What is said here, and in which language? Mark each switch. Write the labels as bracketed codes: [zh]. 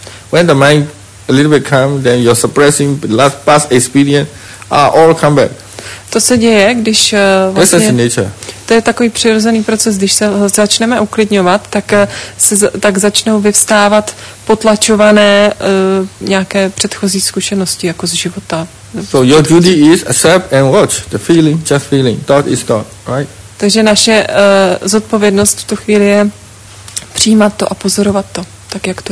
[en] When the mind a little bit calm, then you're suppressing last past experience. All come back. [cs] To se děje, když vlastně, to je takový přirozený proces, když se začneme uklidňovat, tak začnou vyvstávat potlačované nějaké předchozí zkušenosti jako z života. [en] So your duty is accept and watch the feeling, just feeling. Thought is thought, right? [cs] Takže naše zodpovědnost v tu chvíli je přijímat to a pozorovat to, tak jak to